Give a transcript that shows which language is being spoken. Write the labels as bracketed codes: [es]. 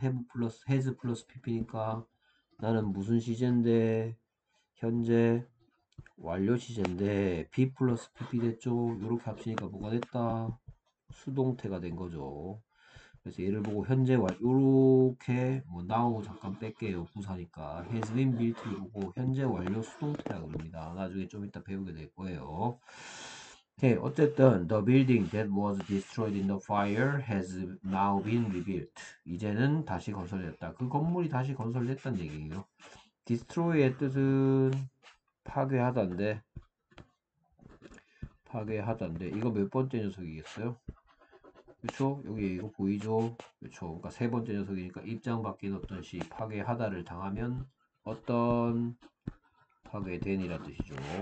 [ko] have 플러스 has 플러스 pp니까 나는 무슨 시제인데 현재 완료 시제인데 be 플러스 pp 됐죠? 요렇게 합치니까 뭐가 됐다? 수동태가 된 거죠. 그래서 얘를 보고 현재 요렇게 뭐 now 잠깐 뺄게요. 부사니까 [en] has been built [ko] 보고 현재 완료 수동태라 그럽니다. 나중에 좀 이따 배우게 될 거예요. 오케이, 어쨌든 [en] the building that was destroyed in the fire has now been rebuilt. [ko] 이제는 다시 건설됐다. 그 건물이 다시 건설됐다는 얘기예요. destroy의 뜻은 파괴하다인데 이거 몇 번째 녀석이겠어요? 그쵸? 여기 이거 보이죠? 그쵸? 그러니까 세 번째 녀석이니까 입장 바뀐 어떤 시 파괴하다를 당하면 어떤 파괴된이라는 뜻이죠.